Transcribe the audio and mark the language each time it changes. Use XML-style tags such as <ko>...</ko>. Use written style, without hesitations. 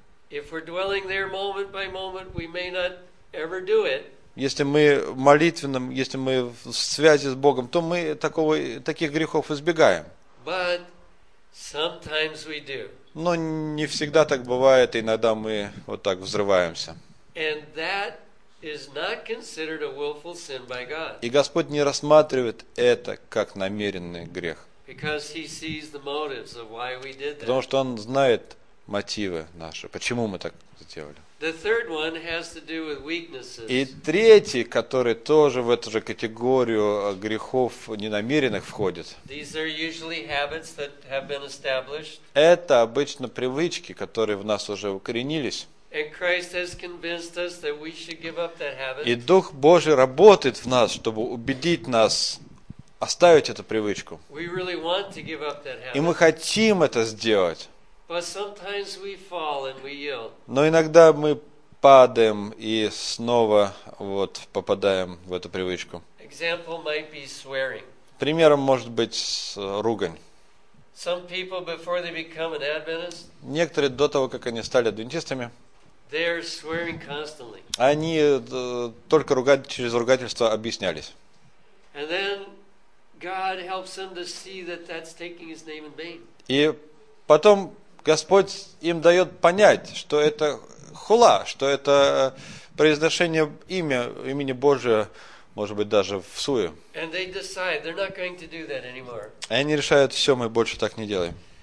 <en>If we're dwelling there moment by moment, we may not ever do it.</en> <ru>Если мы молитвенным, если мы в связи с Богом, то мы таких грехов избегаем.</ru> <en>But sometimes we do.</en> <ru>Но не всегда так бывает, иногда мы вот так взрываемся.</ru> <en>And that is not considered a willful sin by God.</en> <ru>И Господь не рассматривает это как намеренный грех.</ru> <en>Because he sees the motives of why we did that.</en> <ru>Потому что Он знает мотивы наши, почему мы так сделали.</ru> <en>The third one has to do with weaknesses.</en> <ru>И третий, который тоже в эту же категорию грехов ненамеренных входит.</ru> <en>These are usually habits that have been established.</en> <ru>Это обычно привычки, которые в нас уже укоренились.</ru> <en>And Christ has convinced us that we should give up that habit.</en> <ru>И Дух Божий работает в нас, чтобы убедить нас оставить эту привычку.</ru> <en>We really want to give up that habit.</en> <ru>И мы хотим это сделать.</ru> <en>But sometimes we fall and we yield.</en> <ru>Но иногда мы падаем и снова вот попадаем в эту привычку.</ru> <en>Example might be swearing.</en> <ru>Примером может быть ругань.</ru> <en>Some people before they become an Adventist.</en> <ru>Некоторые до того, как они стали адвентистами.</ru> <en>They are swearing constantly.</en> <ru>Они только через ругательство объяснялись.</ru> <en>And then God helps them to see that that's taking His name in vain.</en> <ru>И потом Господь им дает понять, что это хула, что это произношение имени Божия, может быть, даже в сую. И они решают, все, мы больше так не делаем.</ru>